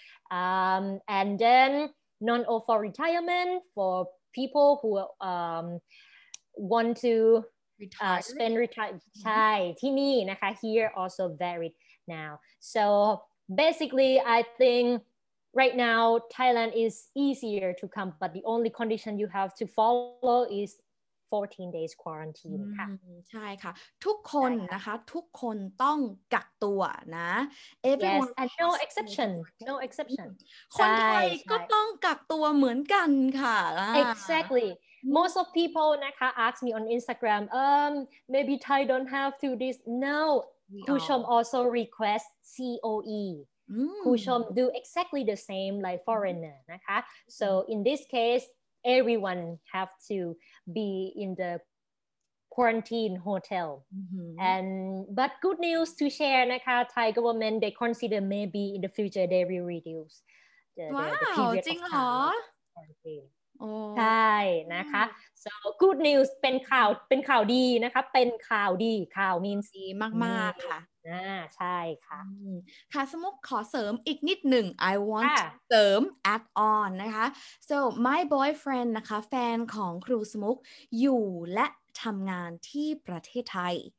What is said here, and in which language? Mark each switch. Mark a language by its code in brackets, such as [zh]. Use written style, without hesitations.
[en] And then non-O for retirement, for people who want to spend retire [th] ที่นี่นะคะ [en] here also varied now so basically I think right now Thailand is easier to come but the only condition you have to follow is 14 days quarantine ค่ะ [th] ใช่ค่ะทุกคนนะคะทุกคนต้องกักตัวนะ [en] everyone yes, and no exception [th] คนไทยก็ต้องกักตัวเหมือนกันค่ะ [en] exactly most of people นะคะ ask me on Instagram maybe Thai don't have to this no Khoo Chom also request COE Khoo Chom do exactly the same like foreigner นะคะ so in this caseEveryone have to be in the quarantine hotel. Mm-hmm. But good news to share, นะคะ Thai government, they consider maybe in the future they will reduce the period of quarantine. Oh. ใช่ นะคะ So good news, [th] เป็นข่าวดีนะคะ เป็นข่าวดี [en] ข่าว means [th] ดีมากมากค่ะ ใช่ค่ะ ค่ะสมมุติขอเสริมอีกนิดหนึ่ง [en] I want to [th] เสริม [en] add on [th] นะคะ [en] so my boyfriend [th] นะคะแฟนของครูสมุกอยู่และทำงานที่ประเทศไทย